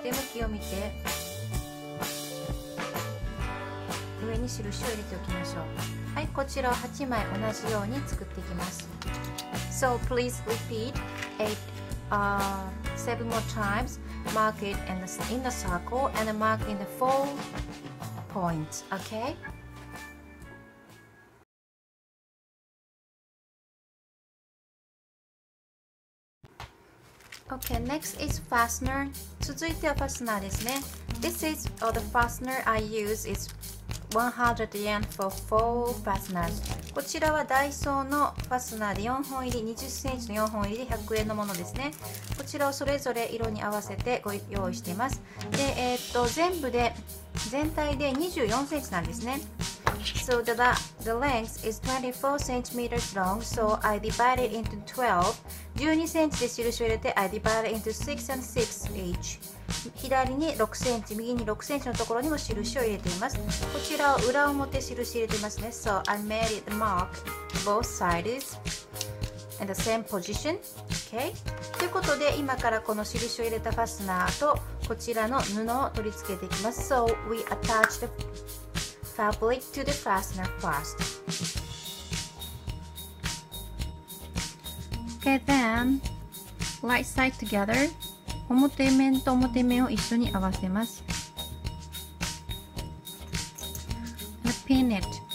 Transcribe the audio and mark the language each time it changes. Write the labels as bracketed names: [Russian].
[Japanese] 向きを見て上に印を入れておきましょう。はい、こちらを8枚同じように作っていきます。 [English] So please repeat seven more times. Mark it in the circle and mark in the four points. Okay? Okay, next is fastener. 続いてはファスナーですね。 This is, or the fastener I use is 100 yen for four fasteners. [Japanese] こちらはダイソーのファスナーで4本入り、20センチの4本入りで100円のものですね。こちらをそれぞれ色に合わせてご用意しています。で、全部で、全体で24センチなんですね。 [English] So the length is 24 centimeters long, so I divide it into 12. [Japanese] 12センチで印を入れて [English] I divide into 6 and 6 each。 [Japanese] 左に6センチ、右に6センチのところにも印を入れています。こちらを裏表印入れていますね。 [English] So I made it mark both sides in the same position、okay. [Japanese] ということで今からこの印を入れたファスナーとこちらの布を取り付けていきます。 [English] So we attach the fabric to the fastener firstOkay, then, right side together. [Japanese] 表面と表面を一緒に合わせます。 [English] And pin it.